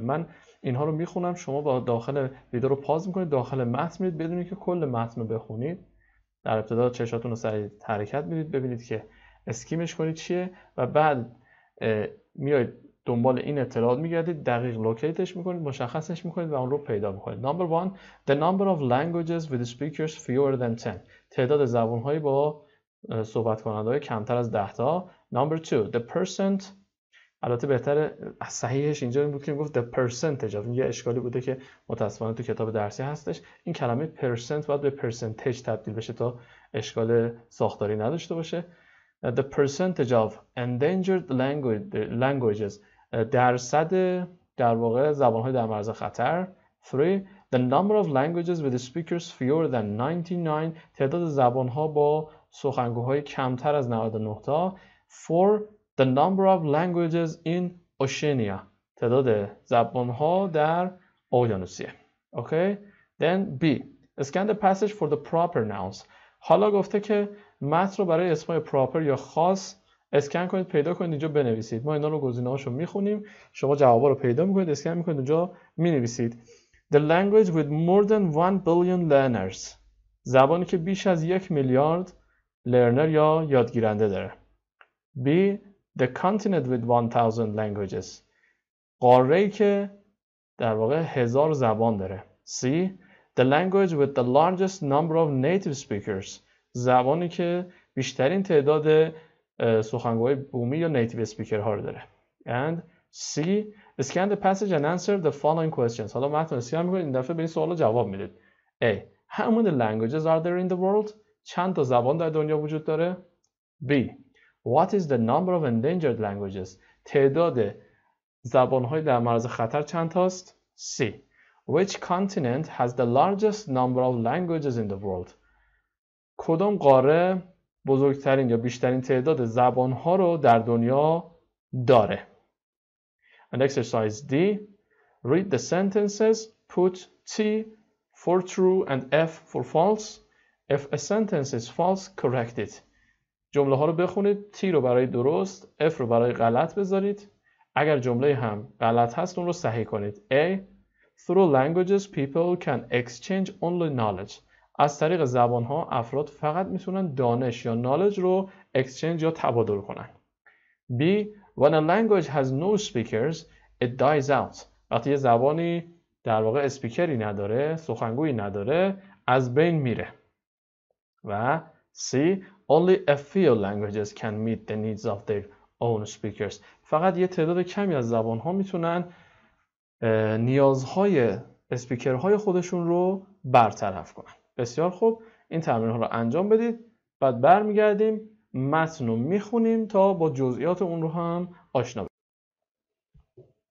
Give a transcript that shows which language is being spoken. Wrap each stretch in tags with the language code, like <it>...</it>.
<fa>من اینها رو میخونم، شما با داخل ویدیو رو پاز میکنید، داخل متن میرید بدونید که کل متن رو بخونید، در ابتدا چشاتون رو سریع حرکت میدید ببینید که اسکیمش کنید چیه و بعد میایید دنبال این اطلاعات میگردید، دقیق لوکیتش میکنید، مشخصش میکنید و اون رو پیدا میکنید.</fa> <en>Number one, the number of languages with speakers fewer than 10.</en> <fa>تعداد زبانهایی با صحبت کنندهای کمتر از 10 تا.</fa> <en>Number two, the percent.</en> <fa>البته بهتر صحیحش اینجا این بود که میگفت</fa> <en>the percentage.</en> <fa>یه اشکالی بوده که متاسفانه تو کتاب درسی هستش. این کلمه percent باید به percentage تبدیل بشه تا اشکال ساختاری نداشته باشه.</fa> <en>The percentage of endangered languages.</en> <fa>درصد در واقع زبان‌های در معرض خطر.</fa> <en>3. The number of languages with speakers fewer than 99.</en> <fa>تعداد زبان‌ها با سخنگوهای کمتر از 99 تا.</fa> <en>4. The number of languages in Oceania.</en> <fa>تعداد زبان‌ها در اقیانوسیه.</fa> <en>Okay. Then B. Scan the passage for the proper nouns.</en> <fa>حالا گفته که متن رو برای اسمای پراپر یا خاص اسکن کنید، پیدا کنید، اینجا بنویسید. ما اینا رو گزینه‌هاشو می‌خونیم، شما جواب‌ها رو پیدا می‌کنید، اسکن می‌کنید، اونجا می‌نویسید.</fa> <en>The language with more than 1 billion learners.</en> <fa>زبانی که بیش از 1 میلیارد لرنر یا یادگیرنده داره.</fa> <en>B. The continent with 1000 languages.</en> <fa>قاره‌ای که در واقع 1000 زبان داره.</fa> <en>C. The language with the largest number of native speakers.</en> <fa>زبانی که بیشترین تعداد سخنگوی بومی یا نیتیو اسپیکرها رو داره.</fa> <en>And C. Scan the passage and answer the following questions.</en> <fa>حالا متن رو اسکن می‌کنید، این دفعه به این سوالا جواب میدید.</fa> <en>A. How many languages are there in the world?</en> <fa>چند تا زبان در دنیا وجود داره؟ B.</fa> <en>What is the number of endangered languages?</en> <fa>تعداد زبان‌های در معرض خطر چند تاست؟ C.</fa> <en>Which continent has the largest number of languages in the world?</en> <fa>کدام قاره بزرگترین یا بیشترین تعداد زبان‌ها رو در دنیا داره؟</fa> <en>And exercise D. Read the sentences. Put T for true and F for false. If a sentence is false, correct it.</en> <fa>جمله‌ها رو بخونید. T رو برای درست، F رو برای غلط بذارید. اگر جمله هم غلط هست، اون رو صحیح کنید.</fa> <en>A. Through languages, people can exchange only knowledge.</en> <fa>از طریق زبان‌ها افراد فقط میتونن دانش یا نالج رو اکسچنج یا تبادل کنن. B.</fa> <en>When a language has no speakers, it dies out.</en> <fa>وقتی یه زبانی در واقع اسپیکری نداره، سخنگویی نداره، از بین میره. و سی،</fa> <en>only a few languages can meet the needs of their own speakers.</en> <fa>فقط یه تعداد کمی از زبان‌ها میتونن نیازهای اسپیکرهای خودشون رو برطرف کنن. بسیار خوب، این تمرین ها رو انجام بدید، بعد برمیگردیم متن رو میخونیم تا با جزئیات اون رو هم آشنا بشیم.</fa>